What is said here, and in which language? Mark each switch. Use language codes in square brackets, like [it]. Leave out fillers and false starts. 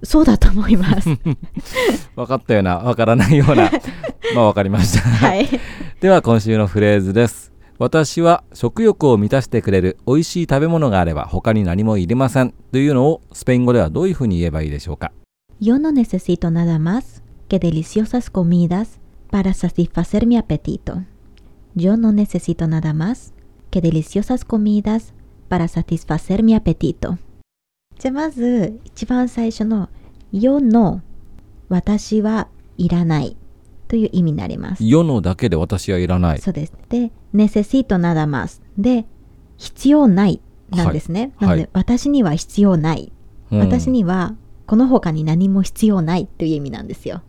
[ja] そうだと思います分かったような、分からないようなまあ分かりました、はい、では今週のフレーズです。私は食欲を満たしてくれる美味しい食べ物があれば他に何もいりませんというのを、スペイン語ではどういうふうに言えばいいでしょうか？ [es] Yo no necesito nada más que deliciosas comidas para satisfacer mi apetito. Yo no necesito nada más que deliciosas comidas para satisfacer mi apetito. [ja] じゃあまず一番最初の [es] Yo no、 [ja] 私はいらないという意味になります。世のだけで私はいらない。そうです。で、 [es] necesito nada más [ja] で必要ないなんですね、はい、なので、はい、私には必要ない、うん、私にはこの他に何も必要ないという意味なんですよ。